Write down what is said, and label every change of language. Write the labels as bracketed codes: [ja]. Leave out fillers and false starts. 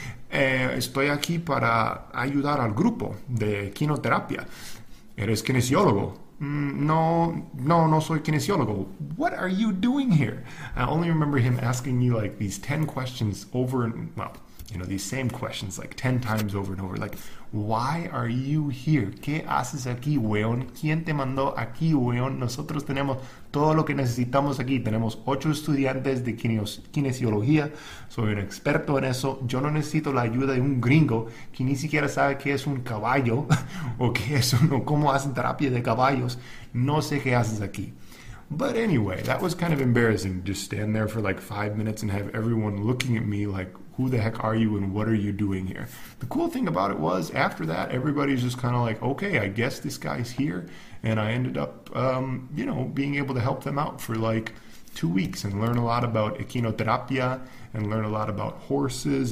[es] Estoy aquí para ayudar al grupo de quinoterapia. ¿Eres kinesiólogo? No, soy kinesiólogo. [en] What are you doing here? I only remember him asking me like these 10 questions over and, well, You know, these same questions like 10 times over and over. Like, why are you here? [es] ¿Qué haces aquí, weón? ¿Quién te mandó aquí, weón? Nosotros tenemos todo lo que necesitamos aquí. Tenemos 8 estudiantes de kinesiología. Soy un experto en eso. Yo no necesito la ayuda de un gringo que ni siquiera sabe qué es un caballo o qué es uno, cómo hacen terapia de caballos. No sé qué haces aquí. [en] But anyway, that was kind of embarrassing. Just stand there for like 5 minutes and have everyone looking at me like, who the heck are you and what are you doing here? The cool thing about it was after that, everybody's just kind of like, okay, I guess this guy's here. And I ended up, you know, being able to help them out for like 2 weeks and learn a lot about equinotherapia and learn a lot about horses.